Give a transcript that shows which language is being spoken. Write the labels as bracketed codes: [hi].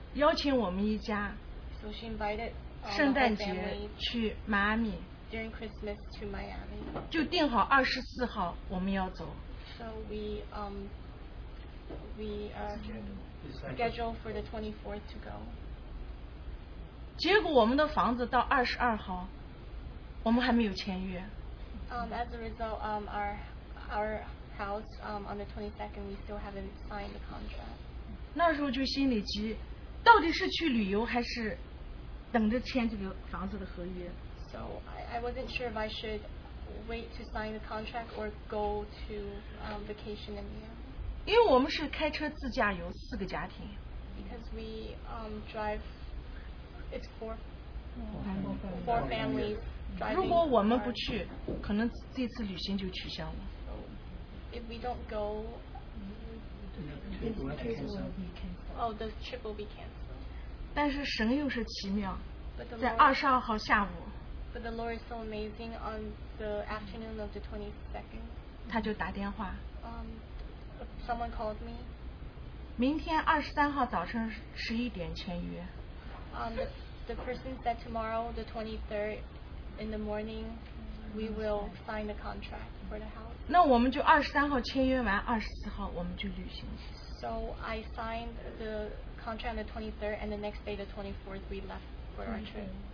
[zh] 邀请我们一家 [en] so she invited [zh] 圣诞节去马阿密 [en] during Christmas to Miami [zh] 就定好24号我们要走 [en] so we scheduled for the 24th to go [zh] 结果我们的房子到22号我们还没有签约 [en] As a result, our house on the 22nd, we still haven't signed the contract. [zh] 那时候就心里急，到底是去旅游还是等着签这个房子的合约 [en] ？So I wasn't sure if I should wait to sign the contract or go to vacation in Miami. [zh] 因为我们是开车自驾游，四个家庭。 [en] Because we drive, it's four families. [zh] 如果我们不去，可能这次旅行就取消了。 [en] If we don't go, the trip will be canceled. [zh] 但是神又是奇妙，在22号下午。 [en] But the Lord is so amazing on the afternoon of the 22nd. [zh] 他就打电话。 [en] Someone called me. [zh] 明天23号早晨11点签约。 [en] The person said tomorrow, the 23rd. In the morning, we will sign the contract for the house. [zh] 那我们就23号签约完，24号我们就旅行。 [en] So I signed the contract on the 23rd, and the next day, the 24th, we left for our trip.